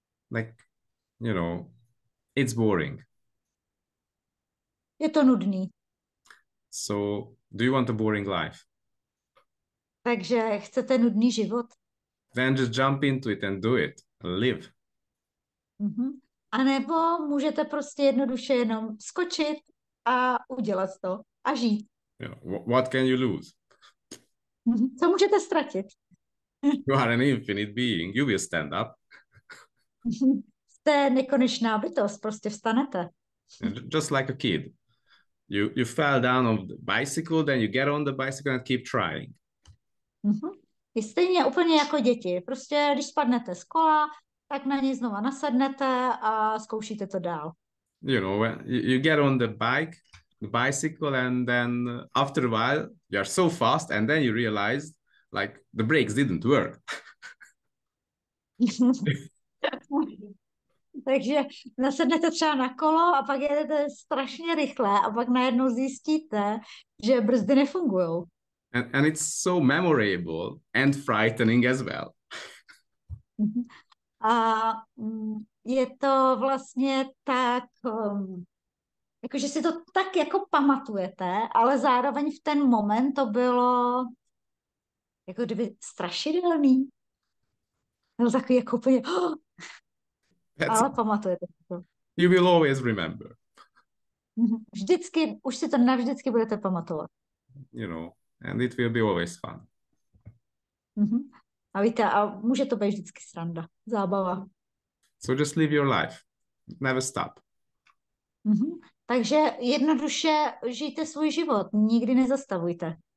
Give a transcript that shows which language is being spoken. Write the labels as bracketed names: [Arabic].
[English] Like, you know, it's boring. [Czech] Je to nudný. [English] So, do you want a boring life? [Czech] Takže chcete nudný život? [English] Then just jump into it and do it. Live. [Czech] A nebo můžete prostě jednoduše jenom skočit a udělat to. A žít. [English] Yeah. What can you lose? [Czech] Co můžete ztratit? [English] You are an infinite being. You will stand up. [Czech] Jste nekonečná bytost, prostě vstanete. [English] Just like a kid. You fell down on the bicycle, then you get on the bicycle and keep trying. [Czech] Je stejně úplně jako děti. Prostě když spadnete z kola, tak na něj znova nasadnete a zkoušíte to dál. [English] You know, you get on the bike, the bicycle, and then after a while, you are so fast, and then you realize, like, the brakes didn't work. [Czech] Takže nasednete třeba na kolo a pak jedete strašně rychle a pak najednou zjistíte, že brzdy nefungují. [English] And it's so memorable and frightening as well. [Czech] A je to vlastně tak... Jakože si to tak jako pamatujete, ale zároveň v ten moment to bylo jako kdyby strašidelný. Bylo takový jako úplně... Ale pamatujete to. [English] You will always remember. [Czech] Vždycky, už si to navždycky budete pamatovat. [English] You know, and it will be always fun. [Czech] A víte, a může to být vždycky sranda, zábava. [English] So just live your life. Never stop. [Czech] Takže jednoduše žijte svůj život, nikdy nezastavujte.